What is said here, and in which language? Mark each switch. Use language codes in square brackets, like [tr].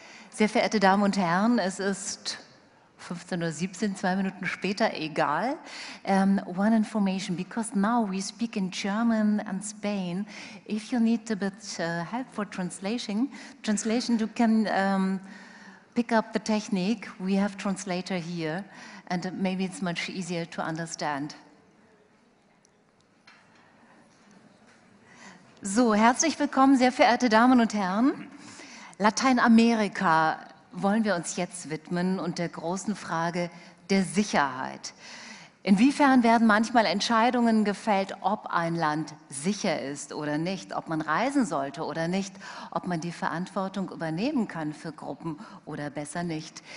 [de] Sehr verehrte Damen und Herren, es ist 15.17 Uhr, zwei Minuten später, egal. [en] One information, because now we speak in German and Spain. If you need a bit help for translation, you can pick up the technique. We have translator here, and maybe it's much easier to understand. [de] So, herzlich willkommen, sehr verehrte Damen und Herren. Lateinamerika wollen wir uns jetzt widmen und der großen Frage der Sicherheit. Inwiefern werden manchmal Entscheidungen gefällt, ob ein Land sicher ist oder nicht, ob man reisen sollte oder nicht, ob man die Verantwortung übernehmen kann für Gruppen oder besser nicht.